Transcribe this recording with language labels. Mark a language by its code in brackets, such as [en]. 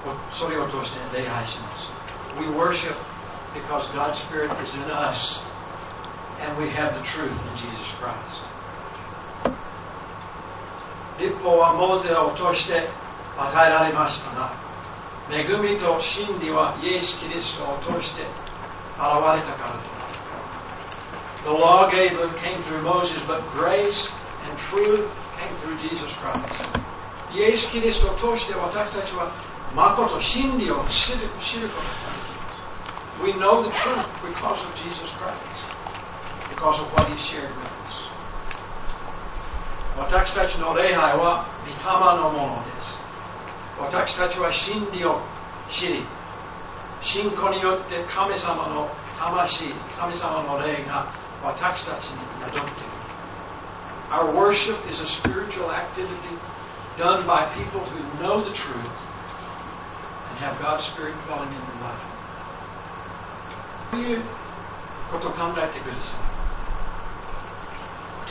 [ja] それを通して礼拝します。 [en] We worship because God's Spirit is in us and we have the truth in Jesus Christ. [ja] 律法はモーゼを通して与えられましたが、恵みと真理はイエス・キリストを通して現れたからです。 [en] The law gave came through Moses, but grace and truth came through Jesus Christ. [ja] イエス・キリストを通して私たちは誠、真理を知ることができます。 [en] We know the truth because of Jesus Christ, because of what He shared with us. [ja] 私たちの礼拝は御霊のものです。私たちは真理を知り、信仰によって神様の魂、神様の霊が私たちに宿っている。 [en] Our worship is a spiritual activity done by people who know the truth and have God's Spirit dwelling in their life. [ja] どういうことを考えてください。